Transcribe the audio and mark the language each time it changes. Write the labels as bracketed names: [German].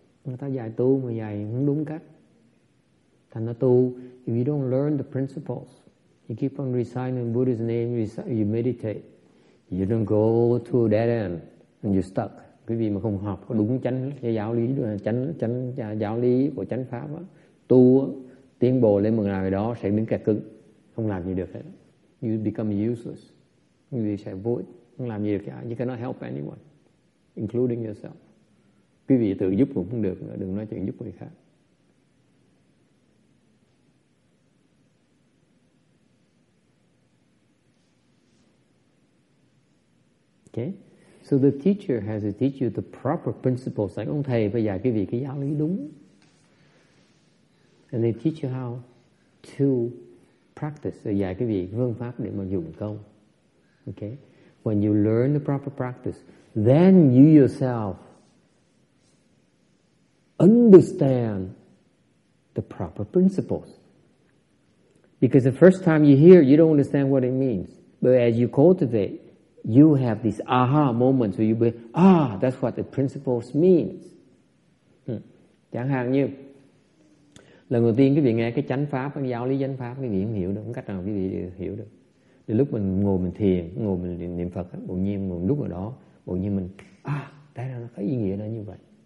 [Vietnamese] Người ta dạy tu mà dạy không đúng cách. Thành ra tu, [English] if you don't learn the principles, you keep on reciting Buddha's name, you meditate, you don't go to a dead end, and you're stuck. [Vietnamese] Quý vị mà không học đúng chánh giáo lý, chánh giáo lý của chánh pháp á, tu tiến bộ lên một ngày đó sẽ đứng kẹt cứng, không làm gì được hết. [English] You become useless. [Vietnamese] Quý vị sẽ vô ích, không làm gì được cả. [English] You cannot help anyone, including yourself. [Vietnamese] Quý vị tự giúp cũng không được nữa, đừng nói chuyện giúp người khác. [English] Okay, so the teacher has to teach you the proper principles. [Vietnamese] Like, ông thầy phải dạy quý vị cái giáo lý đúng. [English] And they teach you how to practice. [Vietnamese] So dạy quý vị phương pháp để mà dụng công. [English] Okay, when you learn the proper practice, then you yourself understand the proper principles. Because the first time you hear, you don't understand what it means. But as you cultivate, you have these aha moments where you be, ah, that's what the principles means. [Vietnamese] Chẳng hạn như, lần đầu tiên quý vị nghe cái chánh pháp, cái giáo lý chánh pháp, quý vị không hiểu được, không cách nào quý vị hiểu được. Thì lúc mình ngồi mình thiền, ngồi mình niệm Phật, bỗng nhiên ngồi lúc ở đó, bỗng nhiên mình, ah, tại sao nó có ý nghĩa nó như vậy.